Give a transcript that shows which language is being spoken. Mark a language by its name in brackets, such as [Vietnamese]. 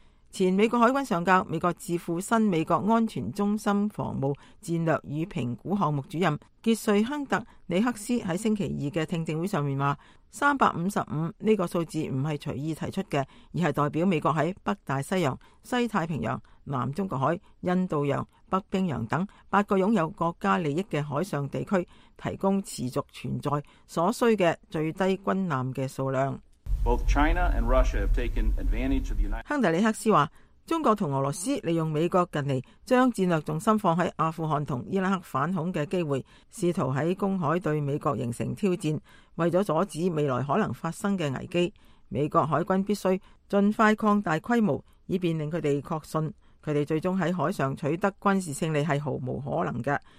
[Chinese] 前美国海军上校、美国智库新美国安全中心防务战略与评估项目主任杰瑞·亨特·里克斯在星期二的听证会上面说，355这个数字不是随意提出的，而是代表美国在北大西洋、西太平洋、南中国海、印度洋、北冰洋等八个拥有国家利益的海上地区提供持续存在所需的最低军舰的数量。 [English] Both China and Russia have taken advantage of the United States. [Chinese] 亨特里克斯说，中国和俄罗斯利用美国近来将战略重心放在阿富汗和伊拉克反恐的机会，试图在公海对美国形成挑战，为了阻止未来可能发生的危机，美国海军必须尽快扩大规模，以便令他们确信他们最终在海上取得军事胜利是毫无可能的。